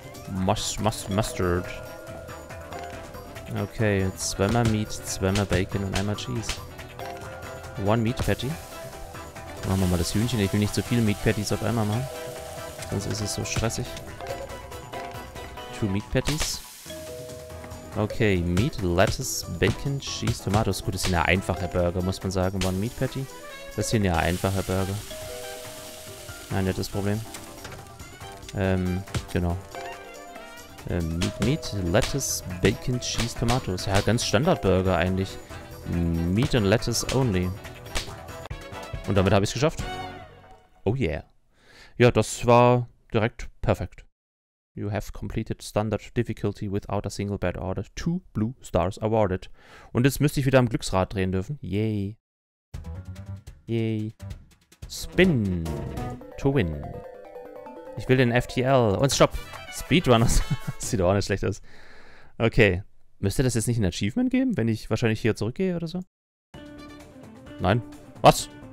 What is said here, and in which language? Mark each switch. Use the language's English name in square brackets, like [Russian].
[German] Mustard. Okay, zweimal Meat, zweimal Bacon und einmal Cheese. [English] One Meat Patty. [German] Machen wir mal das Hühnchen, ich will nicht so viele Meat Patties auf einmal machen. Sonst ist es so stressig. [English] Two Meat Patties. Okay, Meat, Lettuce, Bacon, Cheese, Tomatoes. [German] Gut, das sind ja einfache Burger, muss man sagen. [English] One Meat Patty. [German] Das sind ja einfache Burger. Ein nettes Problem. Genau. [English] Meat, Meat, Lettuce, Bacon, Cheese, Tomatoes. [German] Ja, ganz Standard-Burger eigentlich. [English] Meat and Lettuce only. [German] Und damit habe ich es geschafft. [English] Oh yeah. [German] Ja, das war direkt perfekt. [English] You have completed standard difficulty without a single bad order. 2 blue stars awarded. [German] Und jetzt müsste ich wieder am Glücksrad drehen dürfen. [English] Yay. Yay. Spin. To win. [German] Ich will den FTL. Und stopp. Speedrunners. Sieht auch nicht schlecht aus. Okay. Müsste das jetzt nicht ein Achievement geben, wenn ich wahrscheinlich hier zurückgehe oder so? Nein. Was?